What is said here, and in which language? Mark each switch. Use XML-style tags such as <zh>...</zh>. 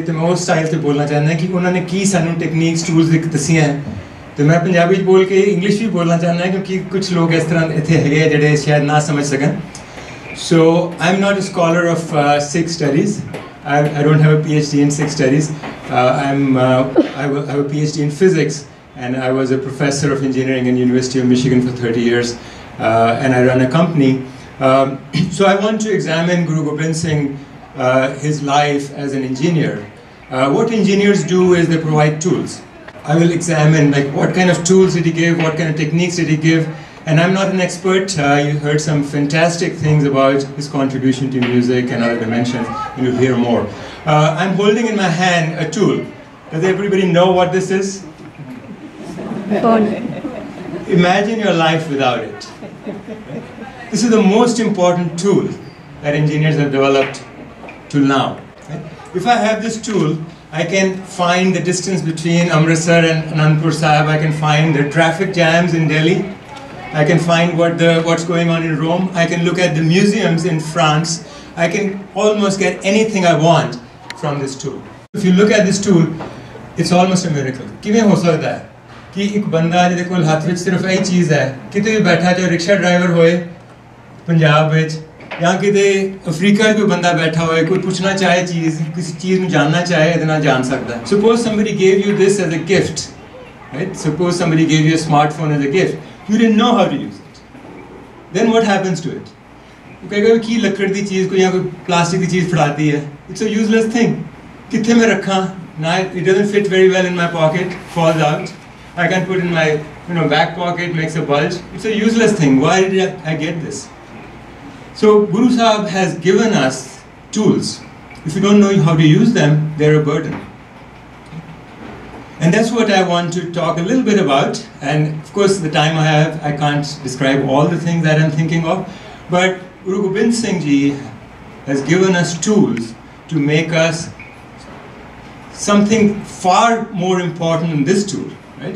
<pa>ਅਤੇ ਮੈਂ ਉਸ ਸਟਾਈਲ 'ਤੇ ਬੋਲਣਾ ਚਾਹੁੰਦਾ ਕਿ ਉਹਨਾਂ ਨੇ ਕੀ ਸਾਨੂੰ ਟੈਕਨੀਕਸ ਟੂਲਸ ਦੱਸੀਆਂ, ਅਤੇ ਮੈਂ ਪੰਜਾਬੀ 'ਚ ਬੋਲ ਕੇ ਇੰਗਲਿਸ਼ ਵੀ ਬੋਲਣਾ ਚਾਹੁੰਦਾ ਕਿਉਂਕਿ ਕੁਛ ਲੋਕ ਇਸ ਤਰ੍ਹਾਂ ਇੱਥੇ ਹੈਗੇ ਆ ਜਿਹੜੇ ਸ਼ਾਇਦ ਨਾ ਸਮਝ ਸਕਣ।</pa> <en>So I am not a scholar of Sikh studies, I don't have a P H D in Sikh studies, I have a P H D in physics and I was a professor of engineering in university of Michigan for 30 years and I run a company. So I want to examine Guru Gobind Singh, his life as an engineer. What engineers do is they provide tools. I will examine like what kind of tools did he give, what kind of techniques did he give, and I'm not an expert. You heard some fantastic things about his contribution to music and other dimensions, and you'll hear more. I'm holding in my hand a tool. Does everybody know what this is? Imagine your life without it. This is the most important tool that engineers have developed till now. If I have this tool, I can find the distance between Amritsar and Anandpur Sahib. I can find the traffic jams in Delhi. I can find what's going on in Rome. I can look at the museums in France. I can almost get anything I want from this tool. If you look at this tool, it's almost a miracle.</en> <pa>Kivein ho sakda hai ki ek banda jide kol hath vich sirf ehi cheez hai, kithe vi baitha jo rickshaw driver hoye Punjab ਵਿੱਚ ਜਾਂ ਕਿਤੇ Africa 'ਚ ਕੋਈ ਬੰਦਾ ਬੈਠਾ ਹੋਵੇ, ਕੋਈ ਪੁੱਛਣਾ ਚਾਹੇ ਚੀਜ਼, ਕਿਸੇ ਚੀਜ਼ ਨੂੰ ਜਾਣਨਾ ਚਾਹੇ, ਇਹਦੇ ਨਾਲ ਜਾਣ ਸਕਦਾ।</pa> <en>Suppose somebody gave you this as a gift, right? Suppose somebody gave you a smartphone as a gift, you didn't know how to use it, then what happens to it?</en> <pa>ਉਹ ਕਹੇਗਾ ਕੀ ਲੱਕੜ ਦੀ ਚੀਜ਼ ਕੋਈ ਜਾਂ ਕੋਈ ਪਲਾਸਟਿਕ ਦੀ ਚੀਜ਼ ਫੜਾਤੀ ਹੈ,</pa> <en>it's a useless thing,</en> <pa>ਕਿੱਥੇ ਮੈਂ ਰੱਖਾਂ ਨਾ,</pa> <en>It doesn't fit very well in my pocket, falls out, I can put in my you know back pocket, makes a bulge, it's a useless thing, why did I get this? So Guru Sahib has given us tools. If you don't know how to use them, they're a burden. And that's what I want to talk a little bit about. And of course, the time I have, I can't describe all the things that I'm thinking of. But Guru Gobind Singh Ji has given us tools to make us something far more important than this tool. Right?</en>